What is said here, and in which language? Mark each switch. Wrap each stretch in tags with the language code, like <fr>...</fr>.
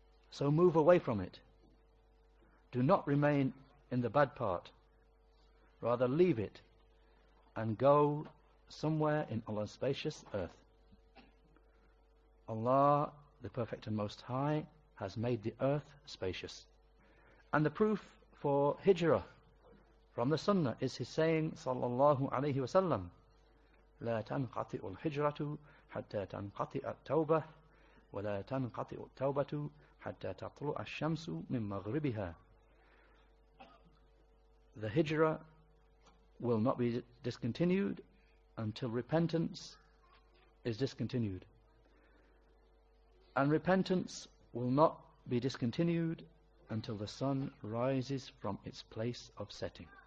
<en>So move away from it. Do not remain in the bad part. Rather leave it and go somewhere in Allah's spacious earth. Allah, the Perfect and Most High, has made the earth spacious. And the proof for Hijrah from the Sunnah is his saying, sallallahu alayhi wa sallam,</en> <ar>لا تنقطع الحجرة حتى تنقطع التوبة ولا تنقطع التوبة حتى تطلع الشمس من مغربها.</ar> <en>The Hijrah will not be discontinued until repentance is discontinued. And repentance will not be discontinued until the sun rises from its place of setting.</en>